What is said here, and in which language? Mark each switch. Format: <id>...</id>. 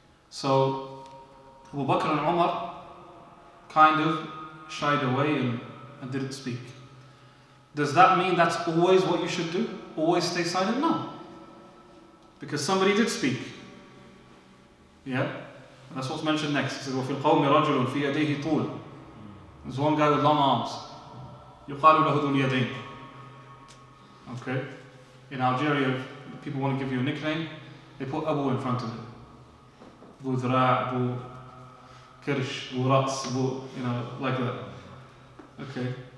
<en>So Abu Bakr and Umar kind of shied away and didn't speak. Does that mean that's always what you should do? Always stay silent? No. Because somebody did speak. Yeah? And that's what's mentioned next. It says,</en> <ar>وَفِي الْقَوْمِ رَجُلٌ فِي يَدَيْهِ طُولٌ.</ar> <en>There's one guy with long arms.</en> <ar>يُقَالُ لَهُ ذُو الْيَدَيْنِ. Okay?</ar> <en>In Algeria, people want to give you a nickname, they put Abu in front of it. Abu Dhra', Abu Kirsh, Abu Ra's, Abu, you know, like that. Okay?</en>